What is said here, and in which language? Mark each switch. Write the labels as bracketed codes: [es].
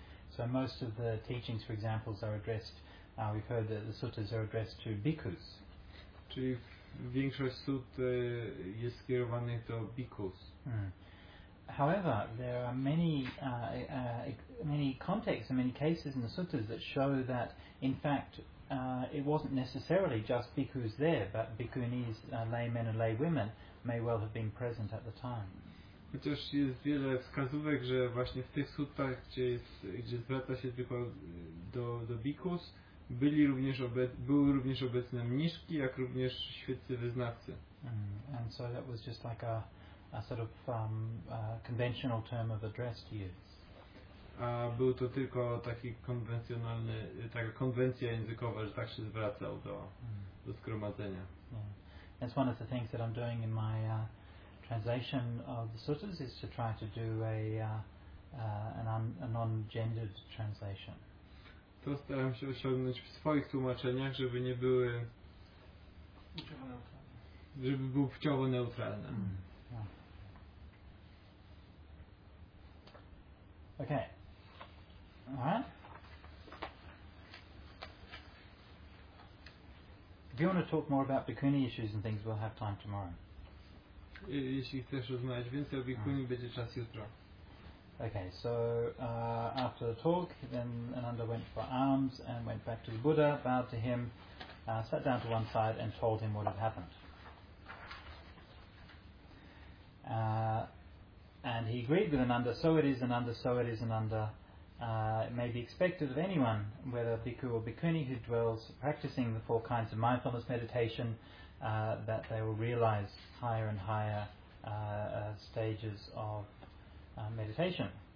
[en] So most of the teachings, for example, are addressed. We've heard that the suttas are addressed to bhikkhus. [pl] Czyli większość sutr jest skierowanych do bhikkhus. [en] However, there are many many contexts and many cases in the suttas that show that, in fact, it wasn't necessarily just bhikkhus there, but bhikkhunis, laymen and laywomen, may well have been present at the time. [pl] Chociaż jest wiele wskazówek, że właśnie w tych sutrach, gdzie zwraca się tylko do bhikkhus, były również obecne mniszki, jak również świeccy wyznawcy. [en] And so that was just like a sort of conventional term of address to use. [pl] A był to tylko taki konwencjonalny, taka konwencja językowa, że tak się zwracał do zgromadzenia. [en] Yeah. That's one of the things that I'm doing in my translation of the suttas, is to try to do a non-gendered translation. [pl] To staram się osiągnąć w swoich tłumaczeniach, żeby nie były, żeby był płciowo neutralny. [en] Okay. If you want to talk more about bhikkhuni issues and things, we'll have time tomorrow. [pl] Jeśli chcesz rozmawiać więcej o bhikkhuni, będzie czas jutro. [en] Okay, so after the talk, then Ananda went for alms and went back to the Buddha, bowed to him, sat down to one side and told him what had happened. And he agreed with Ananda, so it is, Ananda, so it is, Ananda. It may be expected of anyone, whether bhikkhu or bhikkhuni, who dwells practicing the four kinds of mindfulness meditation, that they will realize higher and higher stages of meditation.